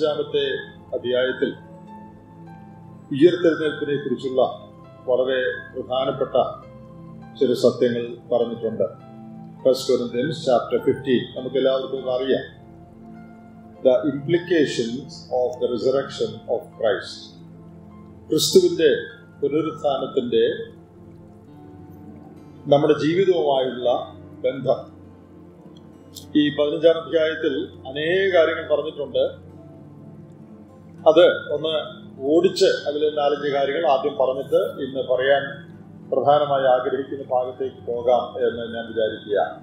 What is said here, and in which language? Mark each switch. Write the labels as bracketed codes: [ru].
[ml] 1 കൊരിന്ത്യർ 15 അധ്യായത്തിൽ ഉയർത്തെഴുന്നേൽപ്പിനെ കുറിച്ചുള്ള വളരെ പ്രധാനപ്പെട്ട ചില സത്യങ്ങൾ പറഞ്ഞിട്ടുണ്ട്. 1 കൊരിന്ത്യർ 15 നമുക്ക് എല്ലാവർക്കും അറിയാം. [en] The implications of the resurrection of Christ. [ml] ക്രിസ്തുവിൻ്റെ പുനരുത്ഥാനത്തിൻ്റെ നമ്മുടെ ജീവിതവുമായുള്ള ബന്ധം. ഈ 15 അധ്യായത്തിൽ അനേക കാര്യങ്ങൾ പറഞ്ഞിട്ടുണ്ട്. അത് ഒന്ന് ഓടിച്ച് അതിൽ 4-5 കാര്യങ്ങൾ ആദ്യം പറഞ്ഞിട്ട് ഇന്ന് പറയാൻ പ്രധാനമായി ആഗ്രഹിക്കുന്ന ഭാഗത്തേക്ക് പോകാം എന്ന് ഞാൻ വിചാരിക്കുക.